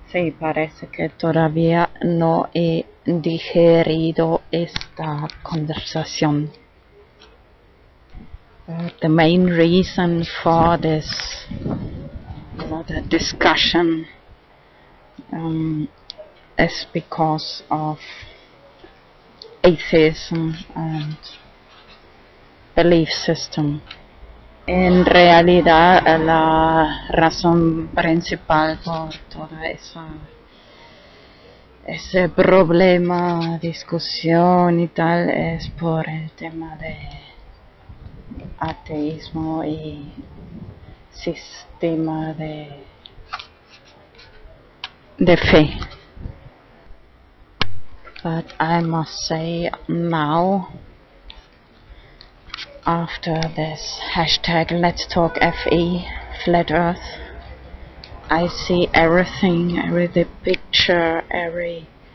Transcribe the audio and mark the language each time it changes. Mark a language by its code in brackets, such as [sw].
[es] Sí, parece que todavía no he digerido esta conversación. [en] The main reason for this discussion is because of atheism and belief system. [es] En realidad, la razón principal por todo eso, ese problema, discusión y tal, es por el tema de ateísmo y sistema de fe. [en] But I must say now, after this hashtag #LetsTalkFE, Flat Earth, I see everything, every the picture, every...